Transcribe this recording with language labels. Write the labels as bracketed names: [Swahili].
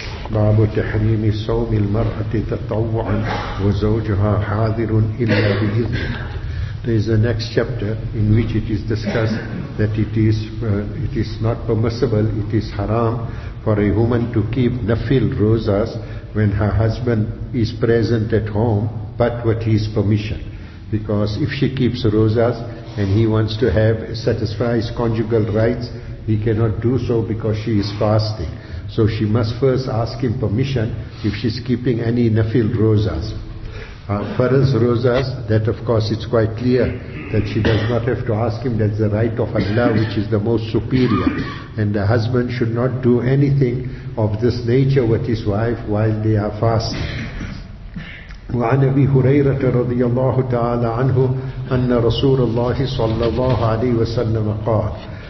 [Arabic] باب تحريم صوم المرأة تطوعا وزوجها حاذر إلا بإذن. [English] There is a next chapter in which it is discussed that it is not permissible, it is haram for a woman to keep nafil rozas when her husband is present at home, but with his permission. Because if she keeps rozas and he wants to have satisfied conjugal rights, he cannot do so because she is fasting. So she must first ask him permission if she is keeping any nafil rozas. Farz rozas, that of course it's quite clear that she does not have to ask him, that's the right of Allah which is the most superior. And the husband should not do anything of this nature with his wife while they are fasting. [Arabic] وعن أبي هريرة رضي الله تعالى عنه أن رسول الله صلى الله عليه وسلم قال.